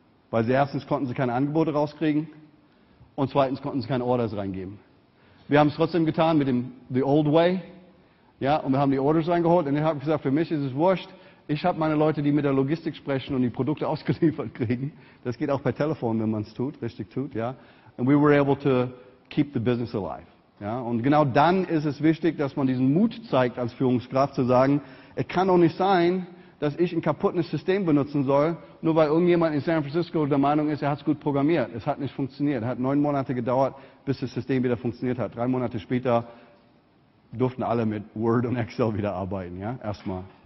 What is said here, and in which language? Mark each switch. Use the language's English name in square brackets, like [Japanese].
[German] Weil sie erstens konnten sie keine Angebote rauskriegen und zweitens konnten sie keine Orders reingeben. Wir haben es trotzdem getan mit dem [English] The Old Way, [German] ja, und wir haben die Orders reingeholt und dann habe ich gesagt, für mich ist es wurscht, ich habe meine Leute, die mit der Logistik sprechen und die Produkte ausgeliefert kriegen. Das geht auch per Telefon, wenn man es tut, richtig tut, ja. [English] And we were able to keep the business alive. [German] Ja, und genau dann ist es wichtig, dass man diesen Mut zeigt als Führungskraft zu sagen, es kann doch nicht sein, dass ich ein kaputtes System benutzen soll, nur weil irgendjemand in San Francisco der Meinung ist, er hat es gut programmiert. Es hat nicht funktioniert. Es hat 9 Monate gedauert, bis das System wieder funktioniert hat. 3 Monate später durften alle mit Word und Excel wieder arbeiten. Ja, erstmal.